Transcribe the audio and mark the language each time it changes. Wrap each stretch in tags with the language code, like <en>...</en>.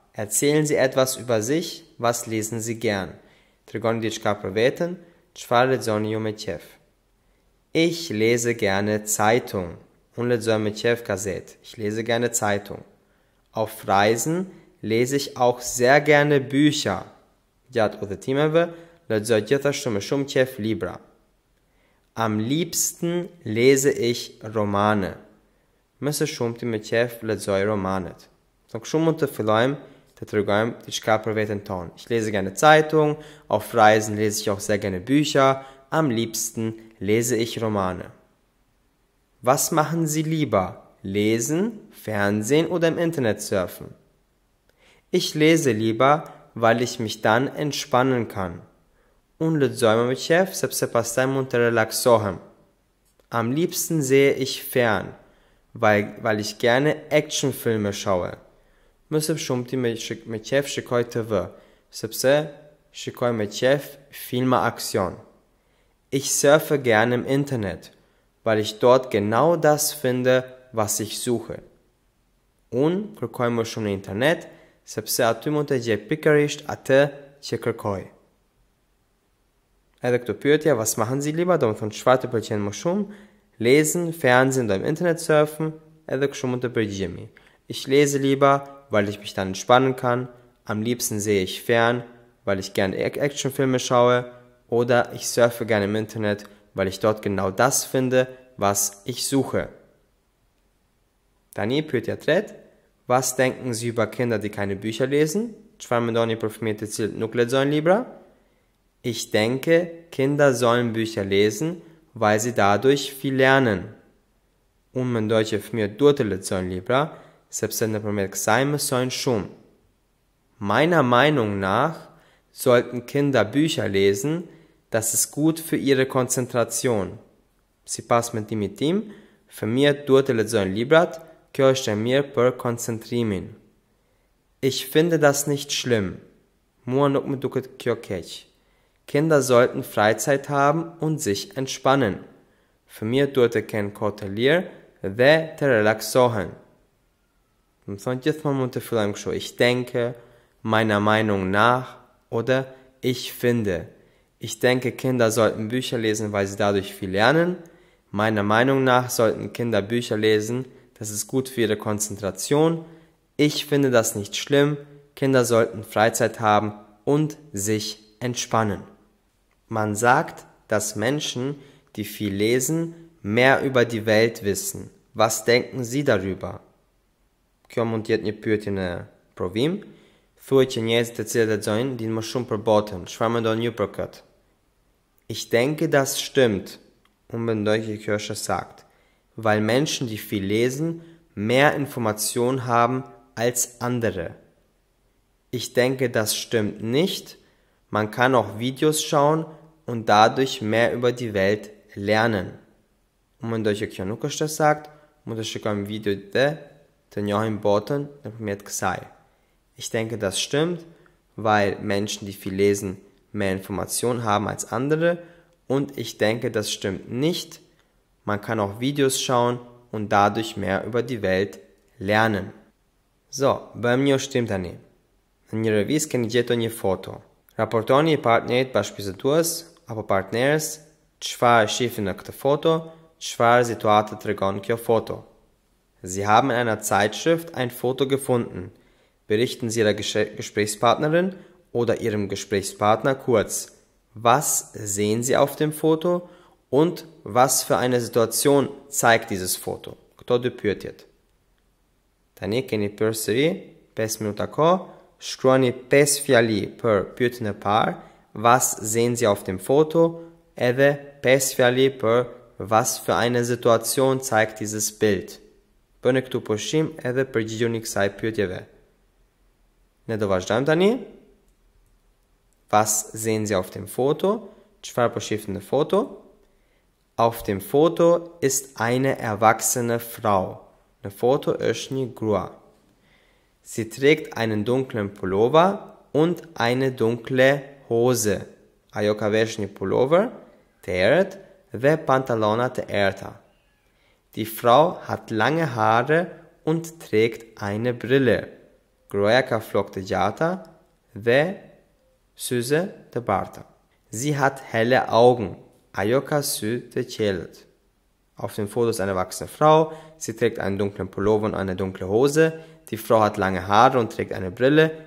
<de>Erzählen Sie etwas über sich, was lesen Sie gern?</de> <sq>Tregoni diçka për veten, çfarë lexoni ju me qef?</sq> <de>Ich lese gerne Zeitung.</de> <sq>Unë lexoj me qef gazet.</sq> <de>Ich lese gerne Zeitung. Auf Reisen lese ich auch sehr gerne Bücher.</de> <sq>Gjatë udhëtimeve lexoj gjithashtu me shumë qef libra.</sq> <de>Am liebsten lese ich Romane.</de> <sq>Më së shumti me qef lexoj romanet. Do kështu mund të fillojmë të tregojmë diçka për veten tonë.</sq> <de>Ich lese gerne Zeitung, auf Reisen lese ich auch sehr gerne Bücher, am liebsten lese ich Romane. Was machen Sie lieber? Lesen, Fernsehen oder im Internet surfen? Ich lese lieber, weil ich mich dann entspannen kann.</de> <sq>Unë lexojmë me qef sepse pastaj mund të relaksohem.</sq> <de>Am liebsten sehe ich fern, weil ich gerne Actionfilme schaue.</de> <sq>Mësëm shumë ti me qef shikoj TV, sepse shikoj me qef filma aksion.</sq> <de>Ich surfe gerne im Internet, weil ich dort genau das finde, was ich suche.</de> <sq>Unë kërkoj më shumë në internet, sepse aty mund të gjej pikërisht atë që kërkoj. Edhe këto pyetje,</sq> <de>was machen Sie lieber,</de> <sq>do më thonë çfarë të pëlqen më shumë,</sq> <de>lesen, Fernsehen,</de> <sq>do</sq> <de>im internet surfen,</de> <sq>edhe kështu mund të përgjigjemi.</sq> <de>Ich lese lieber, weil ich mich dann entspannen kann, am liebsten sehe ich fern, weil ich gerne Actionfilme schaue, oder ich surfe gerne im Internet, weil ich dort genau das finde, was ich suche.</de> <sq>Tani pyetja tret,</sq> <de>was denken Sie über Kinder, die keine Bücher lesen?</de> <sq>Çfarë mendoni për fëmijët të cilët nuk lexojnë libra?</sq> <de>Ich denke, Kinder sollen Bücher lesen, weil sie dadurch viel lernen.</de> <sq>Unë mendoj që fëmijët duhet të lexojnë libra, sepse nëpërmjet kësaj mësojnë shumë.</sq> <de>Meiner Meinung nach sollten Kinder Bücher lesen, das ist gut für ihre Konzentration.</de> <sq>Si pas me dimitim, fëmijët duhet të lexojnë librat, kjo është e mirë për koncentrimin.</sq> <de>Ich finde das nicht schlimm.</de> <sq>Mua nuk më duket kjo keq.</sq> <de>Kinder sollten Freizeit haben und sich entspannen.</de> <sq>Fëmijët duhet të kenë kohë të lirë dhe të relaksohen. Më thonë gjithmonë mund të fillojmë kështu.</sq> <de>Ich denke, meiner Meinung nach, oder ich finde. Ich denke, Kinder sollten Bücher lesen, weil sie dadurch viel lernen. Meiner Meinung nach sollten Kinder Bücher lesen, das ist gut für ihre Konzentration. Ich finde das nicht schlimm. Kinder sollten Freizeit haben und sich entspannen. Man sagt, dass Menschen, die viel lesen, mehr über die Welt wissen. Was denken Sie darüber?</de> <sq>Kjo mund jetë një pyetje në provim. Thuaj që njerëzit të cilët lexojnë dinë më shumë për botën. Çfarë mendoni ju për këtë?</sq> <de>Ich denke, das stimmt.</de> <sq>Unë mendoj që kjo është sakt.</sq> <de>Weil Menschen, die viel lesen, mehr Informationen haben als andere. Ich denke, das stimmt nicht. Man kann auch Videos schauen und dadurch mehr über die Welt lernen.</de> <sq>Unë mendoj që kjo nuk është sakt. Mund të shikojmë video të njohim botën nëpërmjet kësaj.</sq> <de>Ich denke, das stimmt, weil Menschen, die viel lesen, mehr Informationen haben als andere. Und ich denke, das stimmt nicht. Man kann auch Videos schauen und dadurch mehr über die Welt lernen.</de> <sq>So, bëm një ushtrim tani. Në një revistë keni gjetur një foto. Raportoni i partnerit bashkëpisëtues apo partneres çfarë shifin në këtë foto, çfarë situatë tregon kjo foto.</sq> <de>Sie haben in einer Zeitschrift ein Foto gefunden. Berichten Sie Ihrer Gesprächspartnerin oder Ihrem Gesprächspartner kurz, was sehen Sie auf dem Foto und was für eine Situation zeigt dieses Foto?</de> <sq>Këto dy pyetjet. Tani keni përsëri 5 minuta kohë, shkruani 5 fjali për pyetjen e parë,</sq> <de>was sehen Sie auf dem Foto,</de> <sq>edhe 5 fjali për</sq> <de>was für eine Situation zeigt dieses Bild.</de> <sq>Bëni këtu pushim edhe përgjigjuni kësaj pyetjeve. Ne do vazhdojmë tani.</sq> <de>Was sehen Sie auf dem Foto?</de> <sq>Çfarë po shifni në foto?</sq> <de>Auf dem Foto ist eine erwachsene Frau.</de> <sq>Në foto është një grua.</sq> <de>Sie trägt einen dunklen Pullover und eine dunkle Hose.</de> <sq>Ajo ka vesh një pullover të errët dhe pantalona të errëta.</sq> <de>Die Frau hat lange Haare und trägt eine Brille.</de> <sq>Gruaja ka flokë të gjata dhe syze të barta.</sq> <de>Sie hat helle Augen.</de> <sq>Ajo ka sy të qelët.</sq> <de>Auf dem Foto ist eine erwachsene Frau. Sie trägt einen dunklen Pullover und eine dunkle Hose. Die Frau hat lange Haare und trägt eine Brille.</de>